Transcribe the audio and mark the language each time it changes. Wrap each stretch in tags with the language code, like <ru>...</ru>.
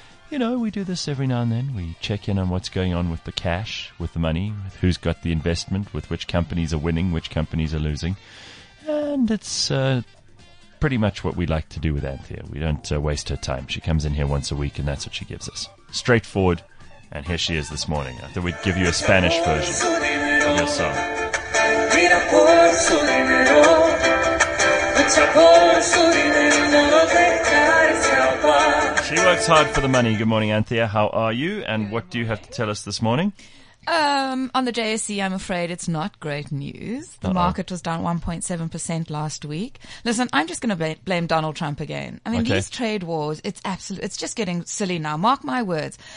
<en>You know, we do this every now and then. We check in on what's going on with the cash, with the money, with who's got the investment, with which companies are winning, which companies are losing. And it's pretty much what we like to do with Anthea. We don't waste her time. She comes in here once a week, and that's what she gives us. Straightforward, and here she is this morning. I thought we'd give you a Spanish version of your song.</en> <es>Mira por su dinero, lucha por su dinero, no lo dejaré escapar.</es> <en>She works hard for the money. Good morning, Anthea. How are you? And what do you have to tell us this morning? On the JSE, I'm afraid it's not great news. The market was down 1.7% last week. Listen, I'm just going to blame Donald Trump again. I mean, these trade wars, it's just getting silly now. Mark my words.</en>